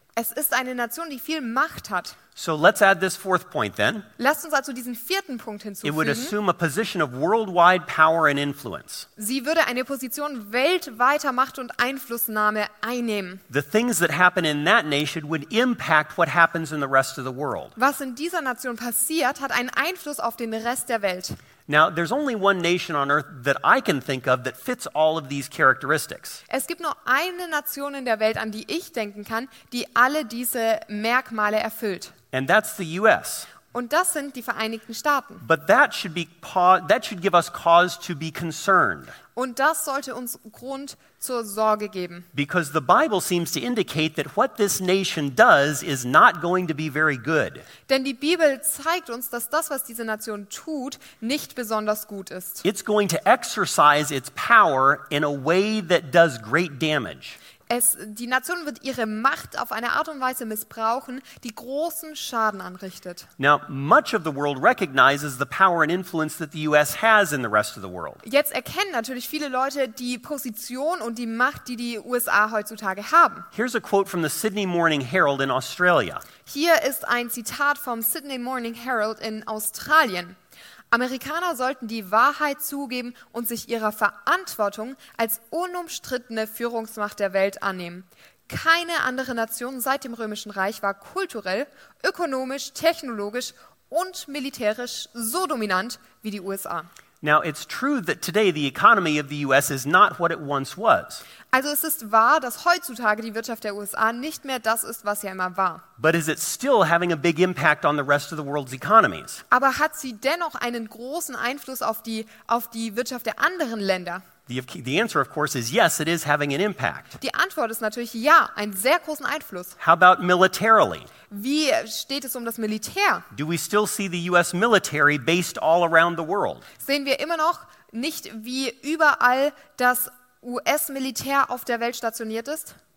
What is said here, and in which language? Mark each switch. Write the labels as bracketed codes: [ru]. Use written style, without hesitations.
[de] Es ist eine Nation, die viel Macht hat. [en] So let's add this fourth point then. [de] Lasst uns also diesen vierten Punkt hinzufügen. [en] It would assume a position of worldwide power and influence. [de] Sie würde eine Position weltweiter Macht und Einflussnahme einnehmen. [en] The things that happen in that nation would impact what happens in the rest of the world. [de] Was in dieser Nation passiert, hat einen Einfluss auf den Rest der Welt. [en] Now there's only one nation on earth that I can think of that fits all of these characteristics. [de] Es gibt nur eine Nation in der Welt, an die ich denken kann, die alle diese Merkmale erfüllt. [en] And that's the US. [de] Und das sind die Vereinigten Staaten. [en] But that should give us cause to be concerned. [de] Und das sollte uns Grund zur Sorge geben. [en] Because the Bible seems to indicate that what this nation does is not going to be very good. [de] Denn die Bibel zeigt uns, dass das, was diese Nation tut, nicht besonders gut ist. [en] It's going to exercise its power in a way that does great damage. [de] Die Nation wird ihre Macht auf eine Art und Weise missbrauchen, die großen Schaden anrichtet. [en] Now, much of the world recognizes the power and influence that the US has in the rest of the world. [de] Jetzt erkennen natürlich viele Leute die Position und die Macht, die die USA heutzutage haben. [en] Here's a quote from the Sydney Morning Herald in Australia. [de] Hier ist ein Zitat vom Sydney Morning Herald in Australien. Amerikaner sollten die Wahrheit zugeben und sich ihrer Verantwortung als unumstrittene Führungsmacht der Welt annehmen. Keine andere Nation seit dem Römischen Reich war kulturell, ökonomisch, technologisch und militärisch so dominant wie die USA. [en] Now it's true that today the economy of the US is not what it once was. [de] Also es ist wahr, dass heutzutage die Wirtschaft der USA nicht mehr das ist, was sie immer war. [en] But is it still having a big impact on the rest of the world's economies? [de] Aber hat sie dennoch einen großen Einfluss auf die Wirtschaft der anderen Länder? [en] The answer of course is yes, it is having an impact. [de] Die Antwort ist natürlich ja, einen sehr großen Einfluss. [en] How about militarily? [de] Wie steht es um das Militär? [en] Do we still see the US military based all around the world? [de] Sehen wir immer noch nicht, wie überall das US-Militär auf der Welt stationiert ist?